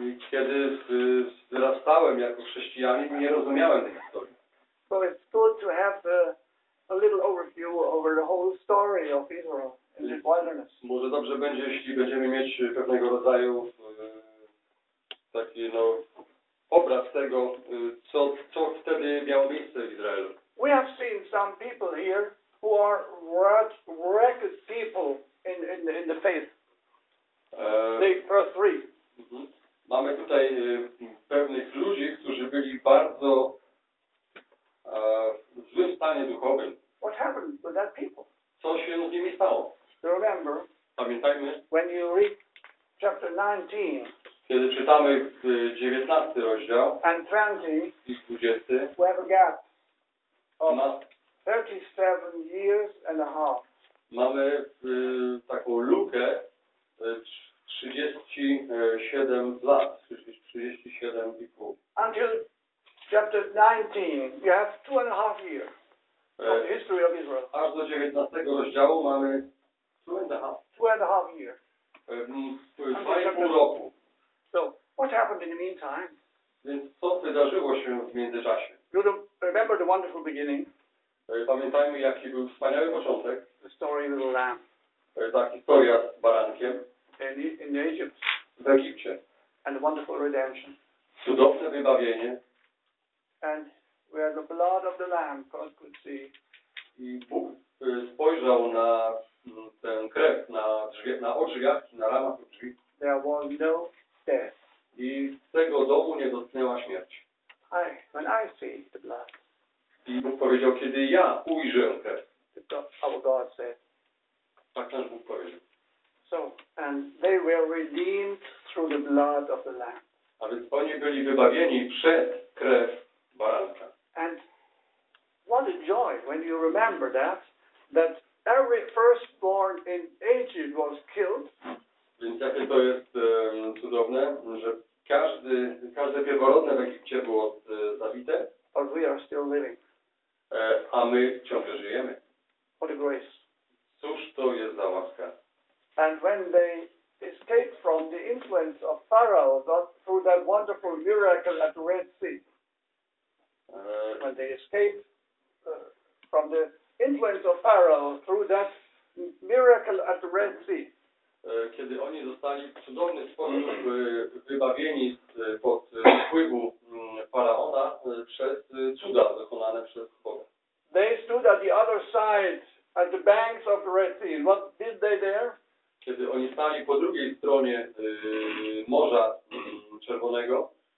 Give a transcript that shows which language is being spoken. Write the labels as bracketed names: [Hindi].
[Polish] Kiedy wyrastałem jako chrześcijanin, nie rozumiałem tej historii. [English] So it's good to have a little overview over the whole story of Israel in the wilderness. [Polish] Może dobrze będzie, jeśli będziemy mieć pewnego rodzaju taki no obraz tego, co wtedy miało miejsce w Izraelu. [English] We have seen some people here who are wrecked people in the faith. Verse 3. [Polish] Mamy tutaj pewnych ludzi, którzy byli bardzo w złym stanie duchowym. [English] What happened with that people? [Polish] Co się z nimi stało? [English] Remember, [Polish] pamiętajmy, [English] when you read chapter 19, [Polish] kiedy czytamy 19 rozdział [English] and 20, [Polish] i 20, [English] we have a gap of 37 years and a half. [Polish] Mamy taką lukę 37 lat, 37 i pół. [English] Until chapter 19, you have 2.5 years. The history of Israel. [Polish] Aż do 19 rozdziału mamy [English] 2.5 years. [Polish] Dwa i pół roku. [English] So, what happened in the meantime? [Polish] Więc co wydarzyło się w międzyczasie? [English] You remember the wonderful beginning? [Polish] Pamiętajmy, jaki był wspaniały początek. [English] The story of the lamb. [Polish] Ta historia z barankiem. [English] In Egypt. [Polish] W Egipcie. [English] And the wonderful redemption. [Polish] Cudowne wybawienie. [English] And where the blood of the lamb God could see. [Polish] I Bóg spojrzał na ten krew, na drzwi, na oczy jachki, na ramach drzwi. [English] There was no death. [Polish] I z tego domu nie dotknęła śmierć. [English] When I see the blood. [Polish] I Bóg powiedział, kiedy ja ujrzę krew. [English] Our God said. [Polish] Tak nasz Bóg powiedział. [English] So, and they were redeemed through the blood of the lamb. [Polish] A więc oni byli wybawieni przez krew. [English] And what a joy when you remember that every firstborn in Egypt was killed. [Polish] Więc jakie to jest cudowne, że każde pierworodne w Egipcie było zabite. [English] But we are still living. [Polish] A my ciągle żyjemy. [English] What a grace. [Polish] Cóż to jest za łaska. [English] And when they escaped from the influence of Pharaoh, God, through that wonderful miracle at the Red Sea. When they escaped from the influence of Pharaoh through that miracle at the Red Sea. [Polish] Kiedy oni zostali w cudowny sposób wybawieni pod wpływu Faraona przez cuda dokonane przez Boga. [English] They stood at the other side at the banks of the Red Sea. What did they there? [Polish] Kiedy oni stali po drugiej stronie Morza Czerwonego.